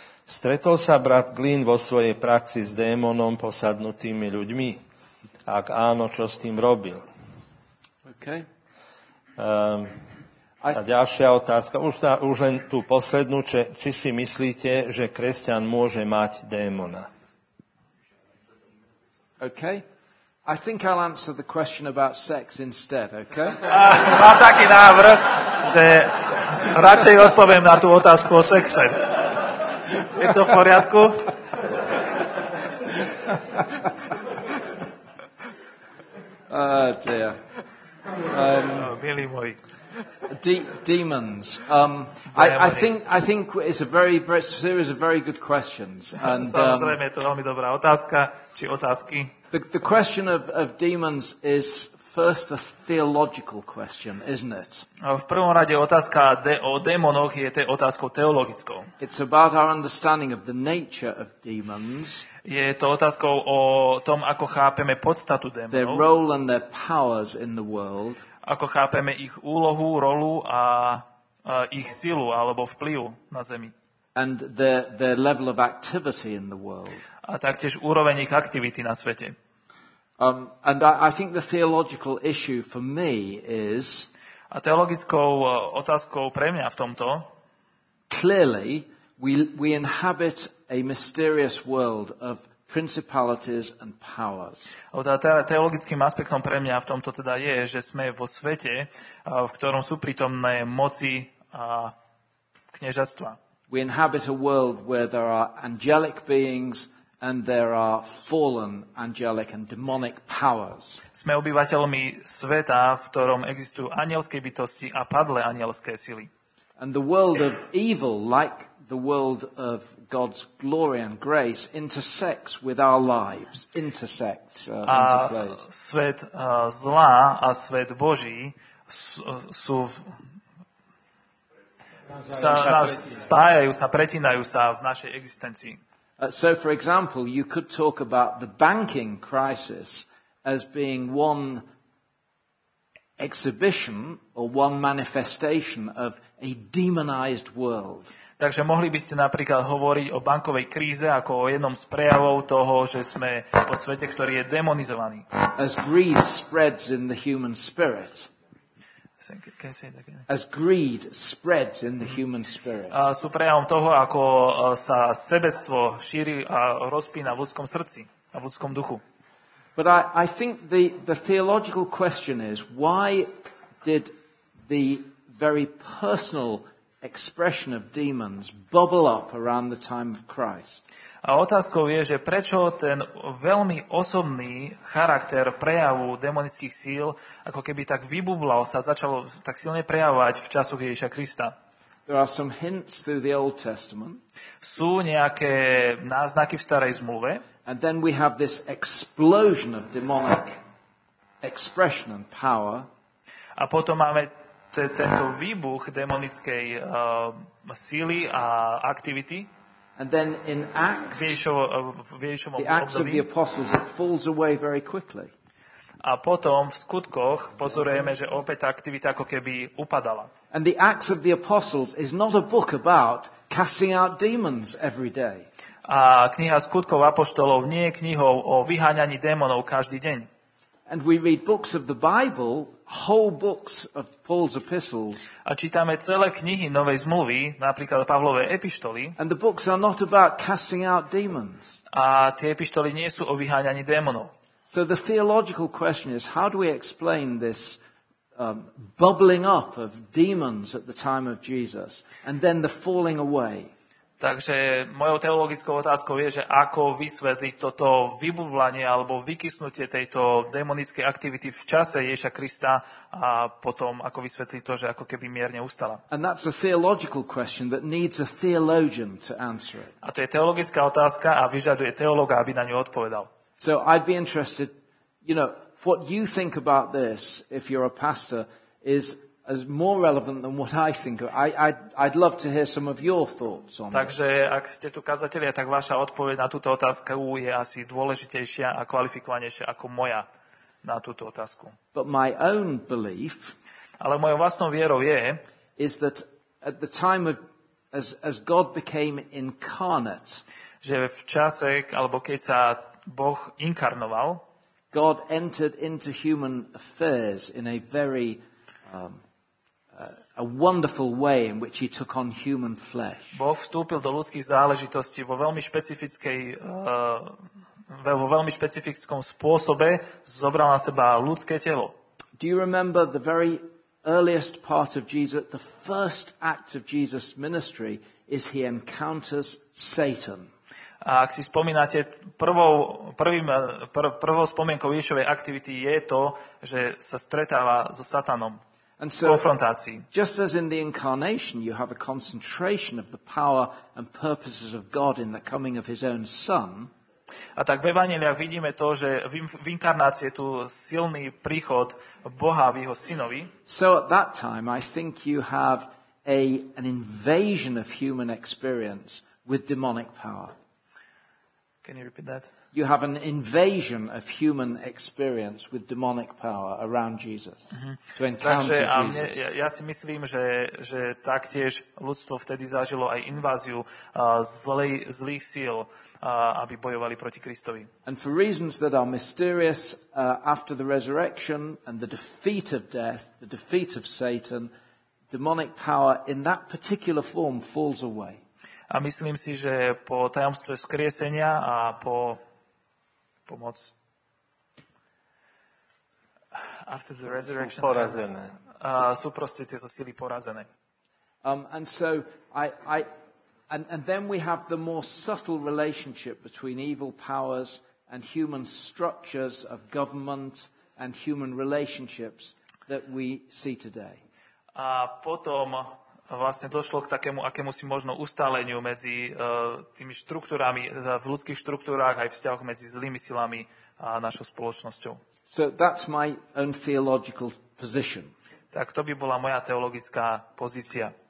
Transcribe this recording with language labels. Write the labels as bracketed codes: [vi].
[sk] Stretol sa brat Glyn vo svojej praxi s démonom posadnutými ľuďmi? Ak áno, čo s tým robil? Okay. A ďalšia otázka, už len tú poslednú, či si myslíte, že kresťan môže mať démona? Okay. [en] I think I'll answer the question about sex instead, okay? [sk] Mám taký návrh, že radšej odpoviem na tú otázku o sexe. Je to v poriadku? [en] Dear. [sk] Milí moji. [en] Demons. I think it's a very, very series of very good questions. [sk] Samozrejme, je to veľmi dobrá otázka, či otázky. [en] The question of demons is first a theological question, isn't it? [sk] V prvom rade otázka o démonoch je otázkou teologickou. [en] It's about our understanding of the nature of demons. [sk] Je to otázkou o tom, ako chápeme podstatu démonov. [en] Their role and their powers in the world. [sk] Ako chápeme ich úlohu, rolu a ich silu alebo vplyv na zemi. [en] And their level of activity in the world. [sk] A taktiež úroveň ich aktivity na svete. [en] And I think the theological issue for me is. [sk] A teologickou otázkou pre mňa v tomto. [en] Clearly, we inhabit a mysterious world of principalities and powers. [sk] Teologickým aspektom pre mňa v tomto teda je, že sme vo svete, v ktorom sú prítomné moci a kniežatstva. [en] We inhabit a world where there are angelic beings and there are fallen angelic and demonic powers. [sk] Sme obyvateľmi sveta, v ktorom existujú anielské bytosti a padlé anielské sily. [en] And the world of evil, like the world of God's glory and grace, intersects with our lives, intersects, interplays. [sk] Svet zla a svet Boží sú spájajú sa, pretínajú sa v našej existencii. [en] So for example, you could talk about the banking crisis as being one exhibition or one manifestation of a demonized world. [sk] Takže mohli by ste napríklad hovoriť o bankovej kríze ako o jednom z prejavov toho, že sme vo svete, ktorý je demonizovaný. [en] As greed spreads in the human spirit. Can I say it again? As greed spreads in the human spirit. [sk] Sú prejavom toho, ako sa sebectvo šíri a rozpína v ľudskom srdci a v ľudskom duchu. [en] But I think the theological question is, why did the very personal expression of demons bubble up around the time of Christ? [sk] A otázkou je, že prečo ten veľmi osobný charakter prejavu demonických síl ako keby tak vybublal, sa začalo tak silne prejavovať v časoch Ježiša Krista. [en] There are some hints through the Old Testament. [sk] Sú nejaké náznaky v starej zmluve. [en] And then we have this explosion of demonic expression and power. [sk] A potom máme tento výbuch demonickej síly a aktivity. [en] And then in Acts, [sk] v Ježišovom období, [en] Acts of the Apostles, it falls away very quickly. [sk] A potom v skutkoch pozorujeme, že opäť tá aktivita ako keby upadala. [en] And the Acts of the Apostles is not a book about casting out demons every day. [sk] A kniha skutkov apoštolov nie je knihou o vyháňaní démonov každý deň. [en] And we read books of the Bible, whole books of Paul's epistles. [sk] A čítame celé knihy Novej zmluvy, napríklad Pavlovej epištoly. [en] And the books are not about casting out demons. [sk] A tie epištoly nie sú o vyháňaní démonov. [en] So the theological question is, how do we explain this bubbling up of demons at the time of Jesus and then the falling away? [sk] Takže mojou teologickou otázkou je, že ako vysvetliť toto vybublanie alebo vykysnutie tejto demonickej aktivity v čase Ježiša Krista a potom ako vysvetliť to, že ako keby mierne ustala. [en] And that's a theological question that needs a theologian to answer it. [sk] A to je teologická otázka a vyžaduje teológa, aby na ňu odpovedal. [en] So I'd be interested, you know, what you think about this, if you're a pastor, is more relevant than what I think. I'd love to hear some of your thoughts on. [sk] Takže ak ste tu kazatelia, tak vaša odpoveď na túto otázku je asi dôležitejšia a kvalifikovanejšia ako moja na túto otázku. [en] But my own belief, [sk] ale mojou vlastnou vierou je, [en] is that at the time of as God became incarnate, [sk] že v čase, alebo keď sa Boh inkarnoval, [en] God entered into human affairs in a very a wonderful way in which he took on human flesh. [sk] Boh vstúpil do ľudských záležitostí vo veľmi špecifickom spôsobe, zobral na seba ľudské telo. [en] Do you remember the very earliest part of Jesus, the first act of Jesus' ministry is he encounters Satan. [sk] A ak si spomínate, prvou spomienkou Ježišovej aktivity je to, že sa stretáva so Satanom. [en] And so, just as in the incarnation you have a concentration of the power and purposes of God in the coming of his own son. [sk] A tak v evanjeliách vidíme to, že v inkarnácii je tu silný príchod Boha v jeho synovi. [en] So at that time I think you have an invasion of human experience with demonic power. Can you repeat that? You have an invasion of human experience with demonic power around Jesus. To encounter [sk] Takže, [en] Jesus. [sk] Ja si myslím, že taktiež ľudstvo vtedy zažilo aj inváziu zlých síl, aby bojovali proti Kristovi. [en] And for reasons that are mysterious, after the resurrection and the defeat of death, the defeat of Satan, demonic power in that particular form falls away. [sk] A myslím si, že po tajomstve skriesenia a po pomoc. [en] After the resurrection, [sk] porazené. Sú proste tieto sily porazené. [en] And then we have the more subtle relationship between evil powers and human structures of government and human relationships that we see today. [sk] A potom vlastne došlo k takému akémusi možno ustáleniu medzi tými štruktúrami v ľudských štruktúrach aj vzťahoch medzi zlými silami a našou spoločnosťou. [en] So that's my own theological position. [sk] Tak to by bola moja teologická pozícia.